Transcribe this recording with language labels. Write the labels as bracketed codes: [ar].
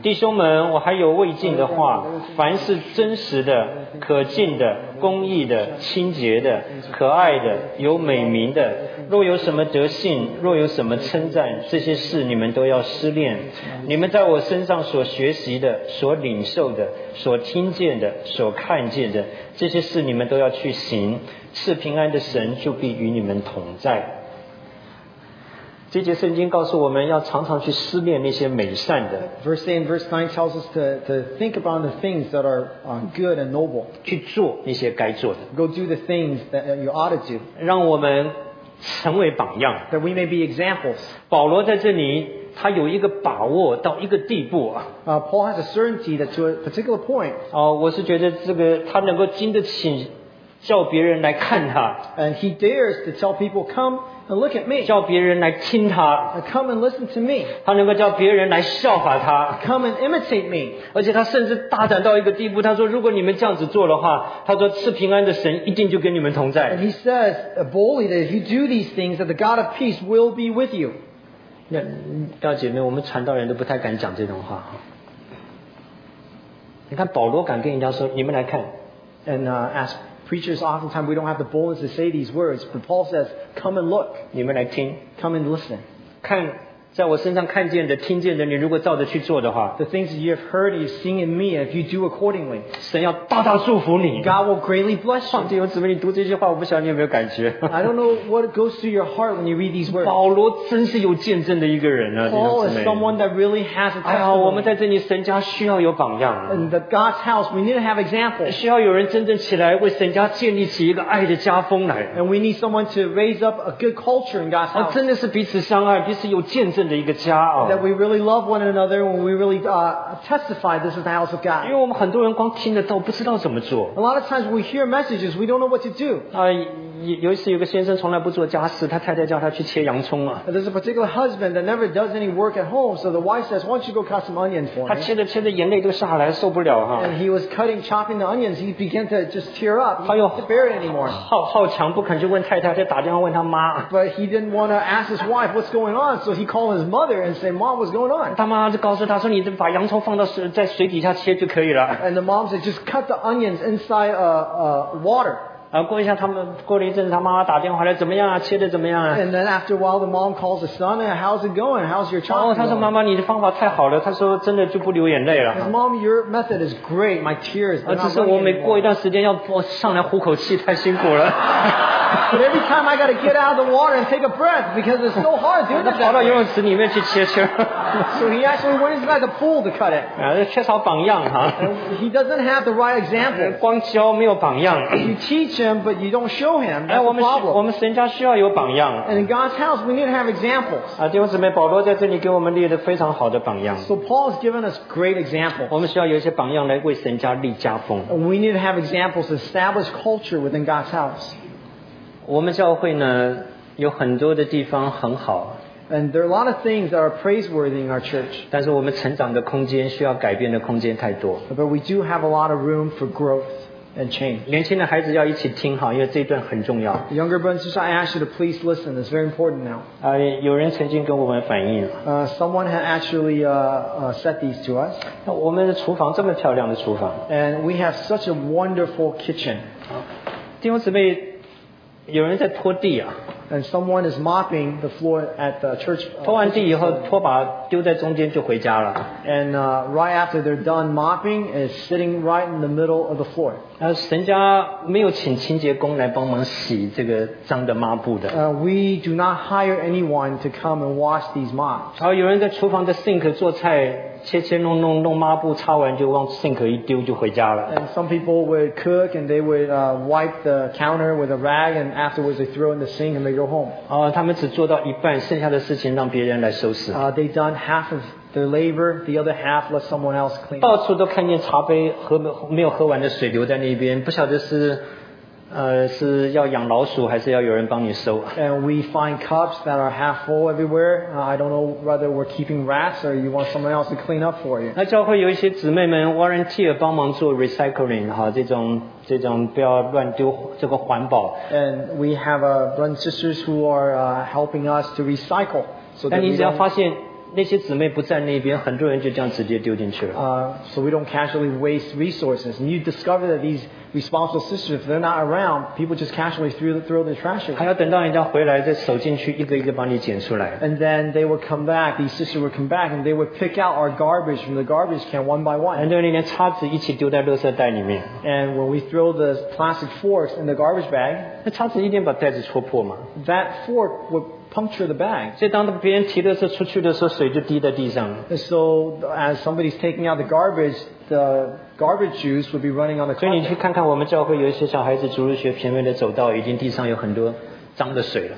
[zh] 弟兄们, 我还有未尽的话, 凡是真实的, 可敬的, 公义的, 清洁的, 可爱的, 有美名的, 若有什么德性, 若有什么称赞, 这些事你们都要思念, 你们在我身上所学习的, 所领受的, 所听见的, 所看见的, 这些事你们都要去行, 赐平安的神就必与你们同在。这节圣经告诉我们要常常去思念那些美善的。 [en] Verse 8 and verse 9 tells us to think about the things that are good and noble. [zh] 去做那些该做的。 [en] Go do the things that you ought to do. [zh] 让我们成为榜样。 [en] That we may be examples. [zh] 保罗在这里他有一个把握到一个地步啊。 [en] Paul has a certainty that to a particular point. [zh] 我是觉得这个他能够经得起叫别人来看他。 [en] And he dares to tell people, come and look at me. [zh] 叫别人来听他。 [en] Come and listen to me. [zh] 他能够叫别人来效法他。 [en] Come and imitate me. [zh] 而且他甚至大胆到一个地步，他说如果你们这样子做的话，他说赐平安的神一定就跟你们同在。 [en] And he says boldly that if you do these things, that the God of peace will be with you. [zh] 大姐妹，我们传道人都不太敢讲这种话。你看保罗敢跟人家说，你们来看。 [en] And ask preachers oftentimes we don't have the boldness to say these words, but Paul says, come and look. [zh] 你们来听。 [en] Come and listen. [zh] 看在我身上看见的听见的，你如果照着去做的话， [en] the things that you have heard you've seen in me, if you do accordingly, [zh] 神要大大祝福你， [en] God will greatly bless you. [zh] 弟兄姊妹，你读这些话我不晓得你有没有感觉。 [en] I don't know what goes through your heart when you read these words. [zh] 保罗真是有见证的一个人啊， [en] Paul is someone that really has a testimony. [zh] 我们在这里神家需要有榜样。 [en] In the God's house we need to have examples. [zh] 需要有人真正起来为神家建立起一个爱的家风来。 [en] And we need someone to raise up a good culture in God's house. [zh] 真的是彼此相爱，彼此有见证的一个家啊。 [en] That we really love one another, when we really testify this is the house of God. [zh] 因为我们很多人光听得到不知道怎么做。 [en] A lot of times we hear messages, we don't know what to do. [zh] 有一次有个先生从来不做家事，他太太叫他去切洋葱啊。 [en] There's a particular husband that never does any work at home, so the wife says, why don't you go cut some onions for me? [zh] 他切着切着眼泪都下来，受不了啊。 [en] And he was cutting, chopping the onions, he began to just tear up. He couldn't bear it anymore. [zh] 好强不肯去问太太，就打电话问他妈。 [en] But he didn't want to ask his wife what's going on, so he called his mother and said, mom, what's going on? [zh] 他妈就告诉他说，你就把洋葱放到水在水底下切就可以了。 [en] And the mom said, just cut the onions inside water. [zh] 过一下他们过了一阵子他妈妈打电话来，怎么样啊，切得怎么样啊。 [en] And then after a while the mom calls the son, how's it going, how's your child going? [zh] 他说妈妈你的方法太好了，他说真的就不流眼泪了。 [en] His mom, your method is great, my tears are not running anymore. [zh] 只是我每过一段时间要上来呼口气，太辛苦了。 [en] But every time I got to get out of the water and take a breath because it's so hard doing that. [zh] 跑到游泳池里面去切切。 [en] So he actually went into the pool to cut it. [zh] 缺少榜样哈。 [en] He doesn't have the right example. [zh] 光教没有榜样。 [en] You teach him, but you don't show him. That's the problem. [zh] 我们神家需要有榜样。 [en] And in God's house, we need to have examples. [zh] 弟兄姊妹，保罗在这里给我们立了非常好的榜样。 [en] So Paul's given us great examples. [zh] 我们需要有一些榜样来为神家立家风。 [en] We need to have examples to establish culture within God's house. [zh] 我们教会呢有很多的地方很好。 [en] And there are a lot of things that are praiseworthy in our church. [zh] 但是我们成长的空间需要改变的空间太多。 [en] But we do have a lot of room for growth and change. [zh] 年轻的孩子要一起听好，因为这一段很重要。 [en] Younger brothers, I ask you to please listen. It's very important now. [zh] 有人曾经跟我们反映。 [en] Someone had actually said these to us. [zh] 我们的厨房这么漂亮的厨房。 [en] And we have such a wonderful kitchen. [zh] 弟兄姊妹有人在拖地啊。 [en] And someone is mopping the floor at the church. [zh] 拖完地以后拖把丢在中间就回家了。 [en] And right after they're done mopping, is sitting right in the middle of the floor. [zh] 神家没有请清洁工来帮忙洗这个脏的抹布的。 [en] We do not hire anyone to come and wash these mops. [zh] 有人在厨房的 sink 做菜切切弄弄弄抹布擦完就往 sink 一丢就回家了。 [en] And some people would cook and they would wipe the counter with a rag and afterwards they throw in the sink and they go home. [zh] 他们只做到一半，剩下的事情让别人来收拾。 [en] They done half of their labor, the other half let someone else clean. [zh] 到处都看见茶杯和没有喝完的水留在那边，不晓得是。是要养老鼠还是要有人帮你收。 [en] And we find cups that are half full everywhere. I don't know whether we're keeping rats or you want someone else to clean up for you. [zh] 那教会有一些姊妹们 volunteer 帮忙做 recycling 哈，这种不要乱丢这个环保。 [en] And we have brothers and sisters who are helping us to recycle. [zh] 但你只要发现那些姊妹不在那边，很多人就这样直接丢进去了。 [en] So we don't casually waste resources. And you discover that these responsible sisters, if they're not around, people just casually throw the trash away. [zh] 还要等到人家回来，再手进去一个一个帮你捡出来。 [en] And then they would come back, these sisters would come back, and they would pick out our garbage from the garbage can one by one. [zh] 很多人连叉子一起丢在垃圾袋里面。 [en] And when we throw the plastic forks in the garbage bag, [zh] 那叉子一定把袋子戳破嘛。 [en] That fork would puncture the bag. [zh] 所以当别人提垃圾出去的时候，水就滴在地上。 [en] So as somebody's taking out the garbage, the garbage juice would be running on the carpet. [zh] 所以你去看看我们教会有一些小孩子逐日学前面的走道，已经地上有很多脏的水了。